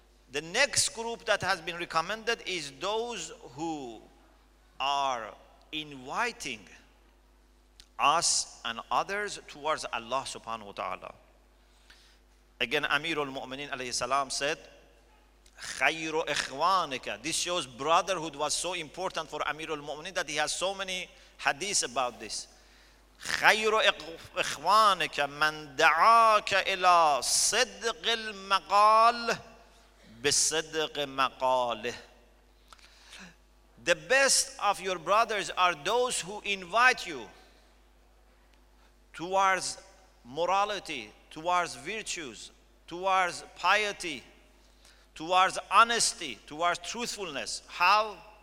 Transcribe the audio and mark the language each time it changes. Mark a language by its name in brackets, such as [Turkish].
[English] The next group that has been recommended is those who are inviting us and others towards Allah subhanahu wa ta'ala. Again, Amir al-Mu'mineen alayhi salam said, [Arabic] Khayru ikhwanika. [English] This shows brotherhood was so important for Amir al-Mu'mineen that he has so many hadiths about this. [Arabic] خير إخوانك من دعاك إلى صدق المقال بصدق مقاله. [English] The best of your brothers are those who invite you towards morality, towards virtues, towards piety, towards honesty, towards truthfulness. How?